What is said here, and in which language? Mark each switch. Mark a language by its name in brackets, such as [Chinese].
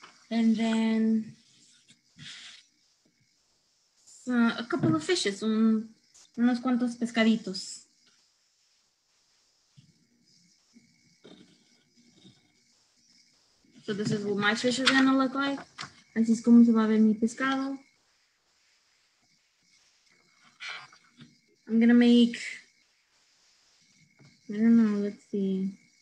[English] And then a couple of fishes, [Spanish] unos cuantos pescaditos. [English] So this is what my fish is gonna look like. [Spanish] Así es como se va a ver mi pescado. [English] I'm gonna make, I don't know, let's see.